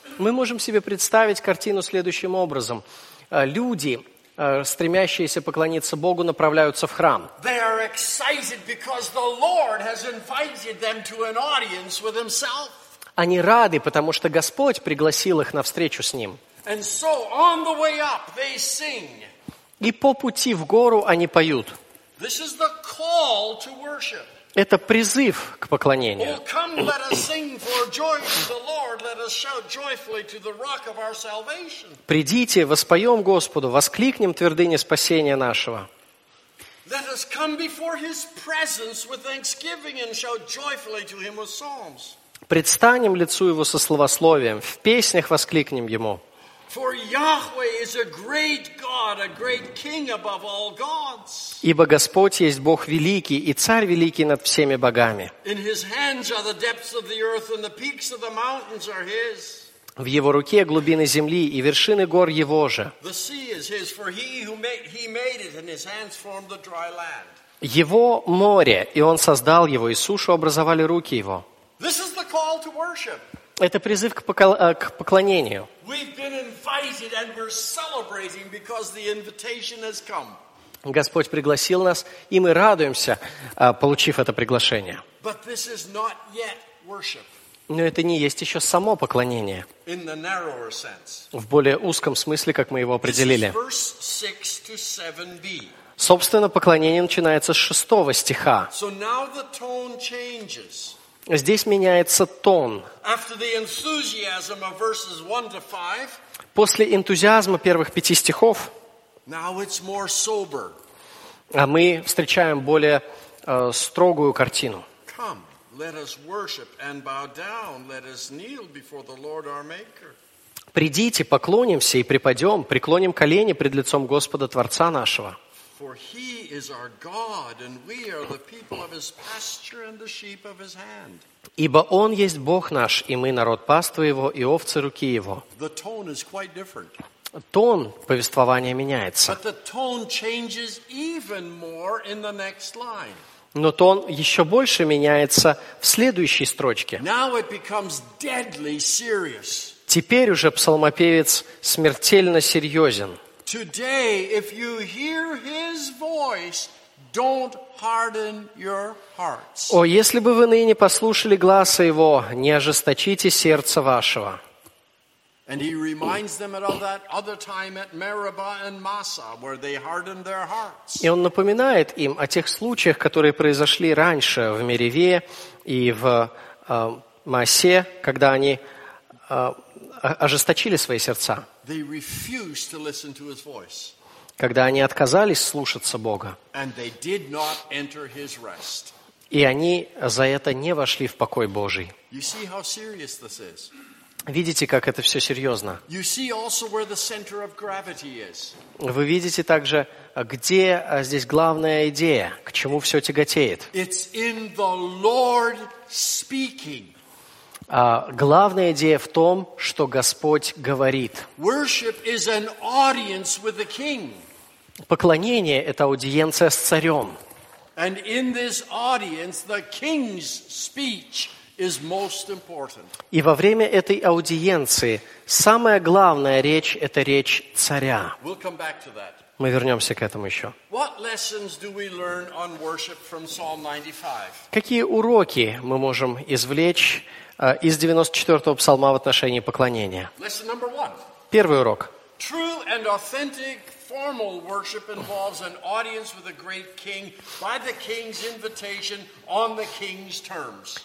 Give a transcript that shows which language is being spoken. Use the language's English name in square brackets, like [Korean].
[Russian] Мы можем себе представить картину следующим образом. Люди, стремящиеся поклониться Богу, направляются в храм. [English] They are excited because the Lord has invited them to an audience with himself. [Russian] Они рады, потому что Господь пригласил их на встречу с Ним. [English] And so on the way up they sing. [Russian] И по пути в гору они поют. [English] This is the call to worship. [Russian] Это призыв к поклонению. [English] Oh, come, let us sing for joy to the Lord. Let us shout joyfully to the rock of our salvation. [Russian] Придите, воспоем Господу, воскликнем твердыни спасения нашего. [English] Let us come before his presence with thanksgiving and shout joyfully to him with psalms. [Russian] Предстанем лицу его со словословием, в песнях воскликнем ему. [English] For Yahweh is a great God, a great king above all gods. [Russian] Ибо Господь есть Бог великий и царь великий над всеми богами. [English] In his hands are the depths of the earth and the peaks of the mountains are his. [Russian] В его руке глубины земли и вершины гор его же. [English] The sea is his, for he made it and his hands formed the dry land. [Russian] Его море, и он создал его, и сушу образовали руки его. [English] This is the call to worship. [Russian] Это призыв к поклонению. [English] We've been invited and we're celebrating because the invitation has come. [Russian] Господь пригласил нас, и мы радуемся, получив это приглашение. [English] But this is not yet worship. [Russian] Но это не есть еще само поклонение. [English] In the narrower sense. [Russian] В более узком смысле, как мы его определили. [English] This is verse 6-7b. [Russian] Собственно, поклонение начинается с 6 стиха. [English] So now the tone changes. [Russian] Здесь меняется тон. [English] After the enthusiasm of verses 1-5, [Russian] после энтузиазма первых пяти стихов, [English] now it's more sober. [Russian] А мы встречаем более строгую картину. [English] Come, let us worship and bow down, let us kneel before the Lord our Maker. [Russian] Придите, поклонимся и припадем, преклоним колени пред лицом Господа Творца нашего. [English] For he is our God, and we are the people of his pasture and the sheep of his hand. [Russian] Ибо он есть Бог наш, и мы народ паствы его, и овцы руки его. [English] The tone is quite different. [Russian] Тон повествования меняется. [English] But the tone changes even more in the next line. [Russian] Но тон еще больше меняется в следующей строчке. [English] Now it becomes deadly serious. [Russian] Теперь уже псалмопевец смертельно серьезен. [English] Today, if you hear his voice, don't harden your hearts. [Russian] О, если бы вы ныне послушали гласа его, не ожесточите сердце вашего. [English] And he reminds them of that other time at Meribah and Massah, where they hardened their hearts. [Russian] И он напоминает им о тех случаях, которые произошли раньше в Мериве и в Массе, когда они ожесточили свои сердца. [English] They refused to listen to his voice. [Russian] Когда они отказались слушаться Бога. [English] And they did not enter his rest. [Russian] И они за это не вошли в покой Божий. [English] You see how serious this is. [Russian] Видите, как это все серьезно. [English] You see also where the center of gravity is. [Russian] Вы видите также, где здесь главная идея, к чему все тяготеет. [English] It's in the Lord speaking. [Russian] Главная идея в том, что Господь говорит. [English] Worship is an audience with the king. [Russian] Поклонение – это аудиенция с царем. [English] And in this audience, the king's speech is most important. [Russian] И во время этой аудиенции самая главная речь – это речь царя. [English] We'll come back to that. [Russian] Мы вернемся к этому еще. [English] What lessons do we learn on worship from Psalm 95? [Russian] Какие уроки мы можем извлечь из 94-го псалма в отношении поклонения? [English] Lesson number one. [Russian] Первый урок. [English] True and authentic formal worship involves an audience with a great king by the king's invitation on the king's terms.